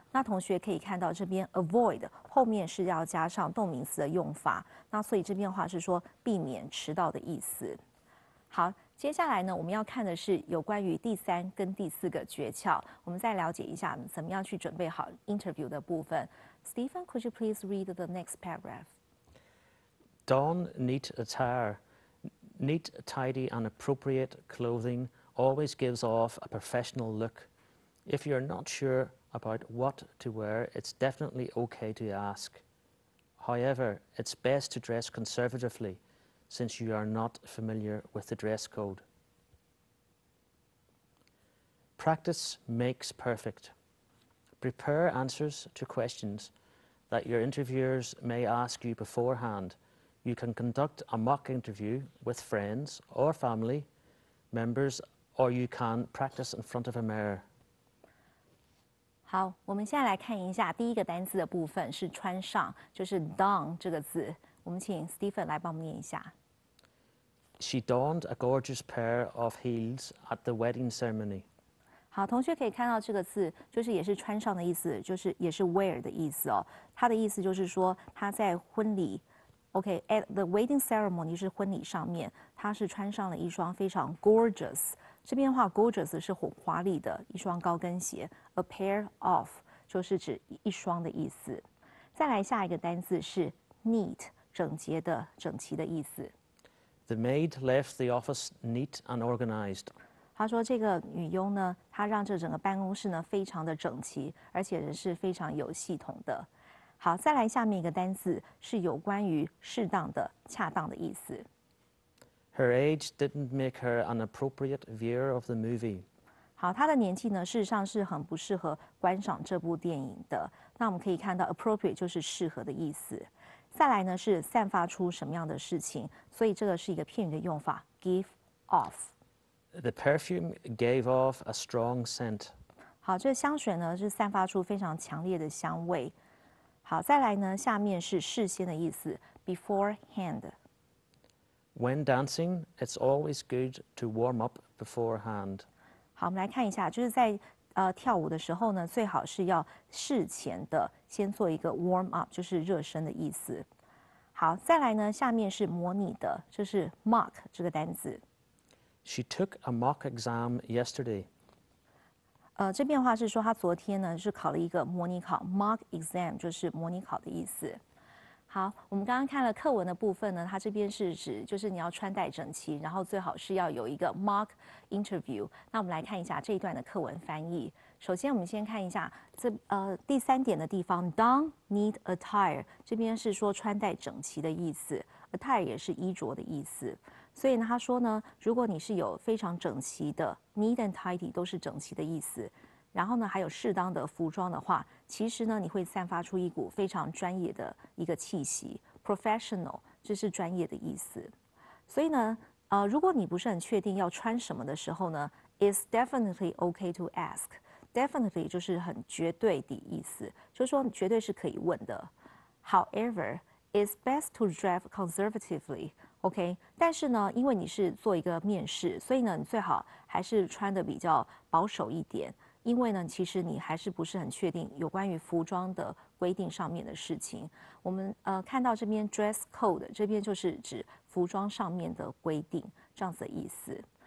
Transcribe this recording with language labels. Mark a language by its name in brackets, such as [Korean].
[Chinese] 那同学可以看到这边 avoid 后面是要加上动名词的用法，那所以这边的话是说避免迟到的意思。好，接下来呢我们要看的是有关于第三跟第四个诀窍，我们再了解一下怎么样去准备好 interview 的部分。 [English] Stephen, could you please read the next paragraph? Don neat attire. Neat, tidy and appropriate clothing always gives off a professional look. If you're not sure about what to wear, it's definitely okay to ask. However, it's best to dress conservativelySince you are not familiar with the dress code. Practice makes perfect. Prepare answers to questions that your interviewers may ask you beforehand. You can conduct a mock interview with friends or family members, or you can practice in front of a mirror. [Chinese] 好，我们现在来看一下第一个单词的部分是穿上，就是 don 这个字。我们请 Stephen 来帮我们念一下。 [English] She donned a gorgeous pair of heels at the wedding ceremony. [Chinese] 好，同学可以看到这个字，就是也是穿上的意思，就是也是 wear 的意思哦。它的意思就是说，她在婚礼 ，OK, [English] at the wedding ceremony [Chinese] 是婚礼上面，她是穿上了一双非常 gorgeous。这边的话 ，gorgeous 是很华丽的一双高跟鞋 ， [English] a pair of [Chinese] 就是指一双的意思。再来下一个单字是 neat， 整洁的、整齐的意思。 [English] The maid left the office neat and organized. [Chinese] 她说这个女佣呢，她让这整个办公室呢非常的整齐，而且人是非常有系统的。好，再来下面一个单字是有关于适当的、恰当的意思。 [English] Her age didn't make her an appropriate viewer of the movie. [Chinese] 好，她的年纪呢，事实上是很不适合观赏这部电影的。那我们可以看到 appropriate 就是适合的意思。再来呢是散发出什么样的事情，所以这个是一个片语的用法 give off。 [English] The perfume gave off a strong scent。 [Chinese] 好，这个香水呢是散发出非常强烈的香味。好，再来呢下面是事先的意思 beforehand。 [English] When dancing it's always good to warm up beforehand。 [Chinese] 好，我们来看一下，就是在跳舞的时候呢，最好是要事前的先做一个 warm up， 就是热身的意思。好，再来呢，下面是模拟的，就是 mock 这个单字。 [English] She took a mock exam yesterday。 [Chinese] 这边的话是说她昨天呢是考了一个模拟考 mock exam， 就是模拟考的意思。好，我们刚刚看了课文的部分呢，它这边是指就是你要穿戴整齐，然后最好是要有一个 mock interview。那我们来看一下这一段的课文翻译。首先我们先看一下这第三点的地方 [English] don neat attire， [Chinese] 这边是说穿戴整齐的意思， attire 也是衣着的意思。所以呢他说呢，如果你是有非常整齐的 [English] neat and tidy [Chinese] 都是整齐的意思，然后呢还有适当的服装的话，其实呢你会散发出一股非常专业的一个气息， professional 这是专业的意思。所以呢如果你不是很确定要穿什么的时候呢， [English] it's definitely okay to ask。 [Chinese] definitely 就是很绝对的意思，就是说绝对是可以问的。 [English] however It's best to drive conservatively, OK? [Chinese] 但是呢，因为你是做一个面试，所以呢，你最好还是穿得比较保守一点，因为呢，其实你还是不是很确定有关于服装的规定上面的事情。我们看到这边 dress code， 这边就是指服装上面的规定，这样子的意思。